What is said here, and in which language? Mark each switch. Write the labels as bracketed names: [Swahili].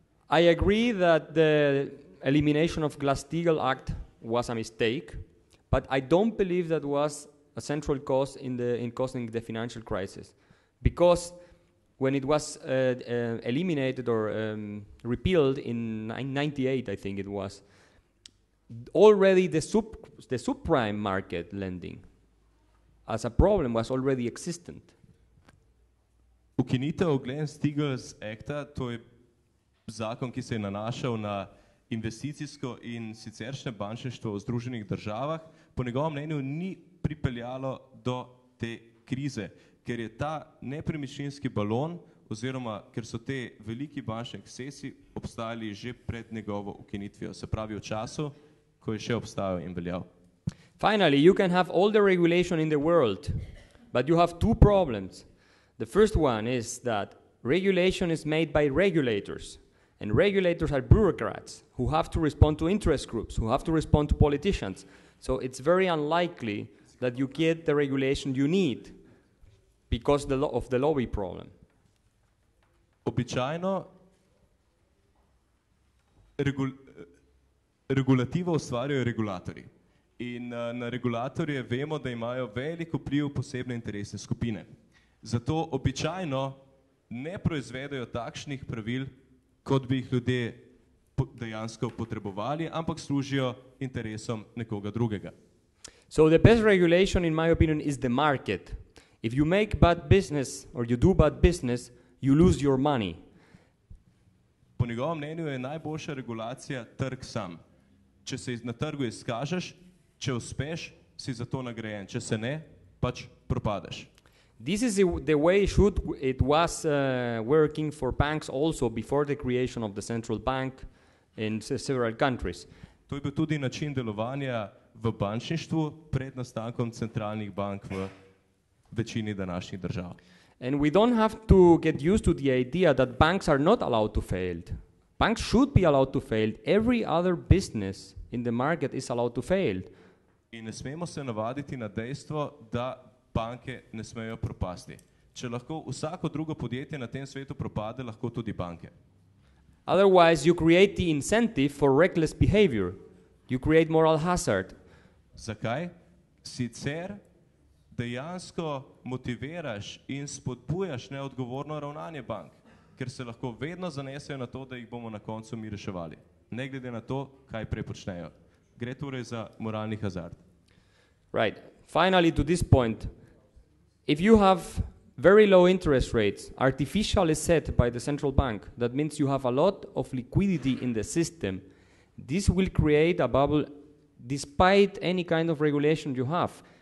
[English] I agree that the elimination of Glass-Steagall Act was a mistake, but I don't believe that was a central cause in causing the financial crisis, because when it was eliminated or repealed in 1998, I think it was, already the subprime market lending as a problem was already existent. [Slovenian] Ukinitev Glenn-Steagall's Acta, to je zakon, ki se je nanašal na investicijsko in siceršnje bančništvo v Združenih državah, po njegovem mnenju ni pripeljalo do te krize, ker je ta nepremičninski balon, oziroma ker so te veliki bančni ekscesi obstajali že pred njegovo ukinitvijo, se pravi v času, ko je še obstajal in veljal. [English] Finally, you can have all the regulation in the world, but you have two problems. The first one is that regulation is made by regulators, and regulators are bureaucrats who have to respond to interest groups, who have to respond to politicians. So it's very unlikely that you get the regulation you need because of the lobby problem. [Slovenian] Običajno regulativo ustvarjajo regulatori. In na regulatorje vemo, da imajo veliko vpliv posebne interesne skupine. Zato običajno ne proizvedajo takšnih pravil, kot bi jih ljudje dejansko potrebovali, ampak služijo interesom nekoga drugega. [English] So the best regulation, in my opinion, is the market. If you make bad business or you do bad business, you lose your money. [Slovenian] Po njegovem mnenju je najboljša regulacija trg sam. Če se na trgu izkažeš, če uspeš, si za to nagrajen. Če se ne, pač propadeš. [English] This is the way it was working for banks also before the creation of the central bank in several countries. [Slovenian] To je bil tudi način delovanja v bančništvu pred nastankom centralnih bank v večini današnjih držav. [English] And we don't have to get used to the idea that banks are not allowed to fail. Banks should be allowed to fail. Every other business in the market is allowed to fail. [Slovenian] In ne smemo se navaditi na dejstvo, da banke ne smejo propasti. Če lahko vsako drugo podjetje na tem svetu propade, lahko tudi banke. [English] Otherwise, you create the incentive for reckless behavior. You create moral hazard. [Slovenian] Zakaj? Sicer dejansko motiviraš in spodbujaš neodgovorno ravnanje bank, ker se lahko vedno zanesejo na to, da jih bomo na koncu mi reševali. Ne glede na to, kaj prepočnejo. Gre torej za moralni hazard. [English] Right. Finally, to this point, if you have very low interest rates, artificially set by the central bank, that means you have a lot of liquidity in the system, this will create a bubble despite any kind of regulation you have.